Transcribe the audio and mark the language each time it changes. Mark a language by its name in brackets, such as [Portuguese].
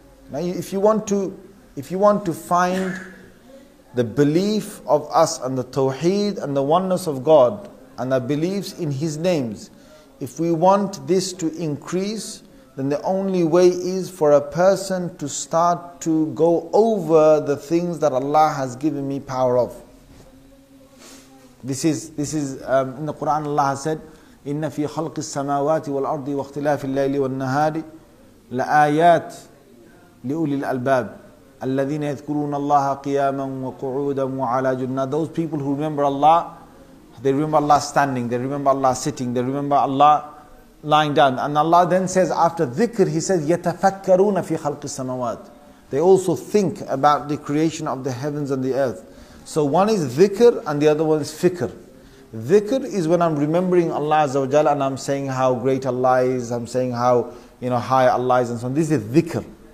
[English] Now, if you want to find the belief of us and the tawheed and the oneness of God and our beliefs in His names, if we want this to increase, then the only way is for a person to start to go over the things that Allah has given me power of. This is in the Quran, Allah has said, [Arabic] إِنَّ فِي خَلْقِ السَّمَاوَاتِ وَالْأَرْضِ وَاخْتِلَافِ اللَّيْلِ وَالنَّهَارِ لَآيَاتِ لِأُولِي الْأَلْبَابِ الَّذِينَ يَذْكُرُونَ اللَّهَ قِيَامًا وَقُعُودًا وَعَلَى جُنَّةٍ. [English] Those people who remember Allah, they remember Allah standing, they remember Allah sitting, they remember Allah lying down. And Allah then says after dhikr, He says, [Arabic] يَتَفَكَّرُونَ فِي خَلْقِ السَّمَاوَاتِ. [English] They also think about the creation of the heavens and the earth. So one is dhikr and the other one is fikr. Dhikr is when I'm remembering Allah Azza wa Jalla and I'm saying how great Allah is, I'm saying how, you know, high Allah is and so on. This is dhikr.